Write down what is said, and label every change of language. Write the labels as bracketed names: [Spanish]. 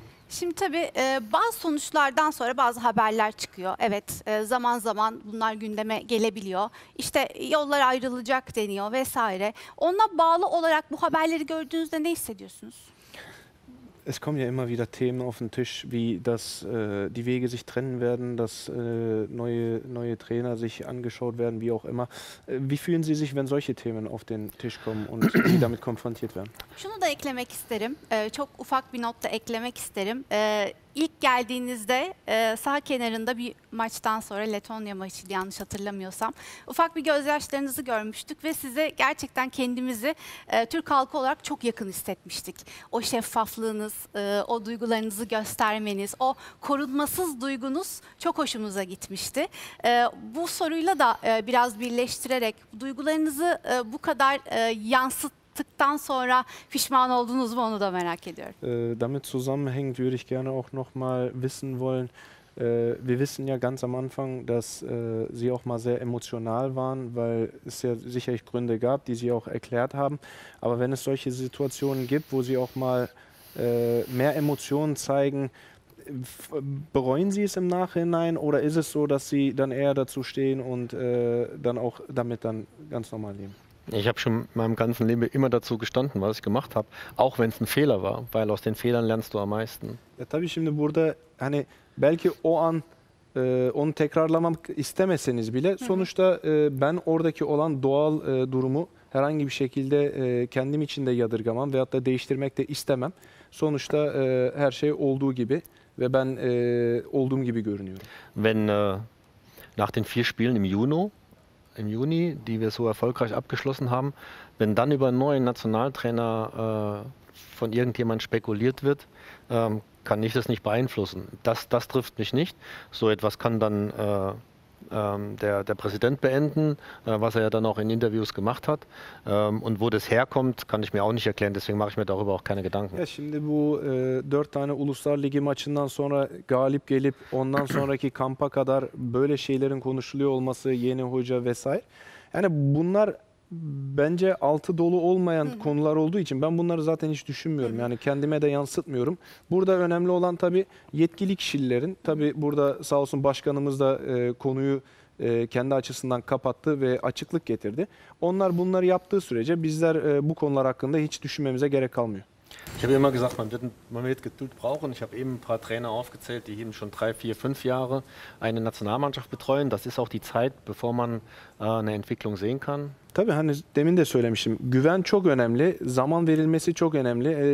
[Turkish] Şimdi tabii bazı sonuçlardan sonra bazı haberler çıkıyor. Evet, zaman zaman bunlar gündeme gelebiliyor. İşte yollar ayrılacak deniyor vesaire. Ona bağlı olarak bu haberleri gördüğünüzde ne hissediyorsunuz? [German] Es kommen ja immer wieder Themen auf den Tisch, wie dass die Wege sich trennen werden, dass neue Trainer sich angeschaut werden, wie auch immer. Wie fühlen Sie sich, wenn solche Themen auf den Tisch kommen und Sie damit konfrontiert werden? [Turkish] Şunu da eklemek isterim. Çok ufak bir not da eklemek isterim. İlk geldiğinizde sağ kenarında bir maçtan sonra Letonya maçıydı yanlış hatırlamıyorsam. Ufak bir gözyaşlarınızı görmüştük ve size gerçekten kendimizi Türk halkı olarak çok yakın hissetmiştik. O şeffaflığınız, o duygularınızı göstermeniz, o korunmasız duygunuz çok hoşumuza gitmişti. Bu soruyla da biraz birleştirerek duygularınızı bu kadar yansıttık. Tıktan sonra pişman oldunuz mu onu da merak ediyorum. [German] Damit zusammenhängend würde ich gerne auch noch mal wissen wollen. Wir wissen ja ganz am Anfang, dass Sie auch mal sehr emotional waren, weil es ja sicherlich Gründe gab, die Sie auch erklärt haben. Aber wenn es solche Situationen gibt, wo Sie auch mal mehr Emotionen zeigen, bereuen Sie es im Nachhinein oder ist es so, dass Sie dann eher dazu stehen und dann auch damit dann ganz normal leben? Ich habe schon in meinem ganzen Leben immer dazu gestanden, was ich gemacht habe, auch wenn es ein Fehler war, weil aus den Fehlern lernst du am meisten. [Turkish] Ja, tabii şimdi burada hani belki o an onu tekrarlamak istemeseniz bile sonuçta ben oradaki olan doğal durumu herhangi bir şekilde kendim için de yadırgamam veyahut da değiştirmek de istemem. Sonuçta her şey olduğu gibi ve ben olduğum gibi görünüyorum. [German] Wenn nach den 4 Spielen im Juni, die wir so erfolgreich abgeschlossen haben, wenn dann über einen neuen Nationaltrainer von irgendjemand spekuliert wird, kann ich das nicht beeinflussen. Das trifft mich nicht. So etwas kann dann der Präsident beenden, was er ja dann auch in Interviews gemacht hat. Und wo das herkommt, kann ich mir auch nicht erklären. Deswegen mache ich mir darüber auch keine Gedanken. [Turkish] Ja, şimdi bu 4 tane Uluslar Ligi maçından sonra galip gelip ondan sonraki kampa kadar böyle şeylerin konuşuluyor olması, yeni hoca vesaire. Yani bunlar bence altı dolu olmayan Hı-hı. konular olduğu için ben bunları zaten hiç düşünmüyorum. Hı-hı. Yani kendime de yansıtmıyorum. Burada önemli olan tabii yetkili kişilerin, tabii burada sağ olsun başkanımız da konuyu kendi açısından kapattı ve açıklık getirdi. Onlar bunları yaptığı sürece bizler bu konular hakkında hiç düşünmemize gerek kalmıyor. [German] Ich habe immer gesagt, man wird Geduld brauchen. Ich habe eben ein paar Trainer aufgezählt, die eben schon 3, 4, 5 Jahre eine Nationalmannschaft betreuen. Das ist auch die Zeit, bevor man eine Entwicklung sehen kann. [Turkish] Tabii hani demin de söylemiştim. Güven çok önemli. Zaman verilmesi çok önemli.